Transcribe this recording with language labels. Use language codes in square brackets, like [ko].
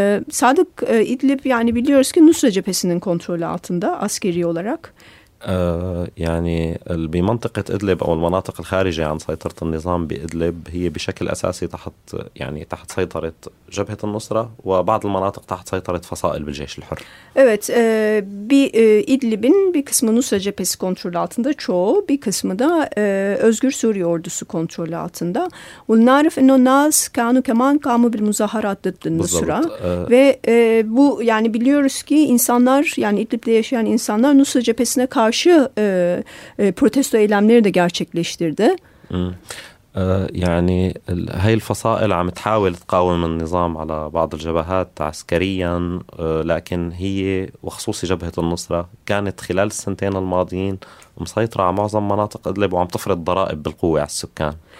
[tr] Sadık İdlib yani biliyoruz ki Nusra cephesinin kontrolü altında askeri olarak. [ar] يعني بمنطقة إدلب أو المناطق الخارجية عن سيطرة النظام بإدلب هي بشكل أساسي تحت يعني تحت سيطرة جبهة النصرة وبعض المناطق تحت سيطرة فصائل بالجيش الحر. [tr] Evet, İdlib'in bir kısmı Nusra cephesi kontrolü altında, çoğu bir kısmı da Özgür Suriye Ordusu kontrolü altında. [ar] ونعرف إنه ناس كانوا كمان قاموا بالمظاهرات ضد النصرة. [tr] Ve bu yani biliyoruz ki insanlar yani İdlib'de yaşayan insanlar Nusra cephesine karşı protesto eylemleri de gerçekleştirdi. [ar] يعني هاي الفصائل عم تحاول تقاوم النظام على بعض الجبهات عسكريا لكن هي وخصوصي جبهة النصرة كانت خلال السنتين الماضيين مسيطرة على معظم مناطق إدلب وعم تفرض ضرائب بالقوة على السكان.